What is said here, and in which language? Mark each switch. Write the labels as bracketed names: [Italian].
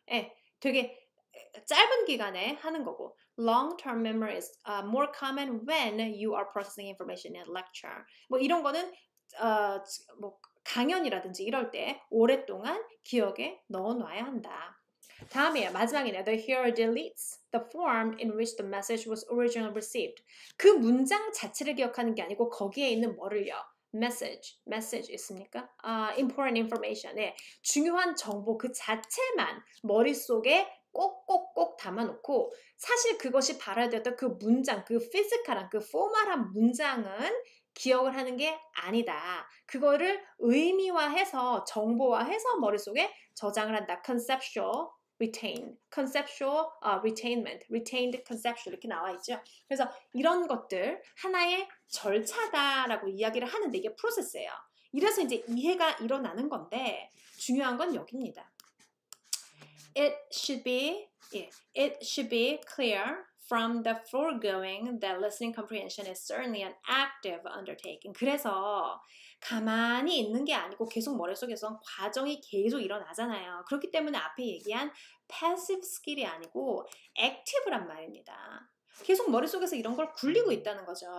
[Korean] 예, 되게 짧은 기간에 하는 거고 [English] long-term memory is more common when you are processing information in a lecture. [Korean] 뭐 이런 거는 뭐 강연이라든지 이럴 때 오랫동안 기억에 넣어놔야 한다. 다음이에요. 마지막이네요. [English] The hearer deletes the form in which the message was originally received. [Korean] 그 문장 자체를 기억하는 게 아니고 거기에 있는 뭐를요? [English] Message [Korean] 있습니까? [English] Important information. 네. [Korean] 중요한 정보 그 자체만 머릿속에 꼭꼭꼭 담아놓고 사실 그것이 발화 되었던 그 문장, 그 피지컬한, 그 포멀한 문장은 기억을 하는 게 아니다. 그거를 의미화해서 정보화해서 머릿속에 저장을 한다. [English] Conceptual retain, conceptual retainment, retained conceptual [Korean] 이렇게 나와 있죠. 그래서 이런 것들 하나의 절차다라고 이야기를 하는데 이게 프로세스예요. 이래서 이제 이해가 일어나는 건데 중요한 건 여기입니다. [English] It should be clear from the foregoing that listening comprehension is certainly an active undertaking. [Korean] 그래서 가만히 있는 게 아니고 계속 머릿속에서 과정이 계속 일어나잖아요. 그렇기 때문에 앞에 얘기한 passive skill이 아니고 active란 말입니다. 계속 머릿속에서 이런 걸 굴리고 있다는 거죠.